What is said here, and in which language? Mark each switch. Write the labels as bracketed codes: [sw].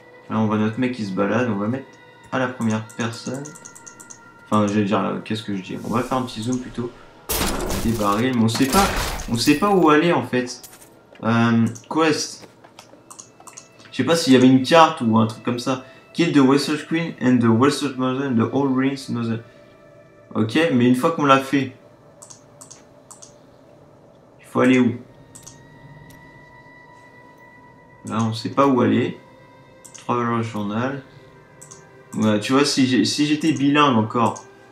[fr] Là on voit notre mec qui se balade, on va mettre à la première personne. Enfin je vais dire qu'est-ce que je dis. On va faire un petit zoom plutôt. Des barils. Mais on sait pas où aller en fait. Quest. Je sais pas s'il y avait une carte ou un truc comme ça. [en] Kill the Wester Queen and the Wester Mother and the All Rings Mother. [fr] Ok, mais une fois qu'on l'a fait. Il faut aller où? Là, on sait pas où aller. Traveler journal. Ouais, tu vois, si j'étais bilingue encore.